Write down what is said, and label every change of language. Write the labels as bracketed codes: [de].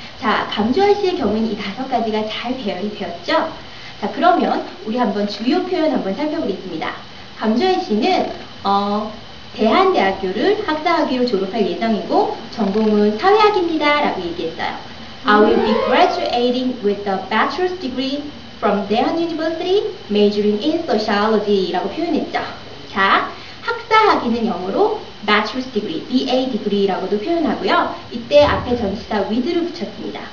[ko] 자, 감주할 시의 경우에는 이 다섯 가지가 잘 배열이 되었죠? 자, 그러면 우리 한번 주요 표현 한번 살펴보겠습니다. 감주할 시는 대한대학교를 학사학위로 졸업할 예정이고 전공은 사회학입니다 라고 얘기했어요. [en] I will be graduating with a bachelor's degree from Daehan University majoring in sociology [ko] 라고 표현했죠. 자, 학사학위는 영어로 bachelor's degree, BA degree 라고도 표현하고요. 이때 앞에 전치사 with를 붙였습니다.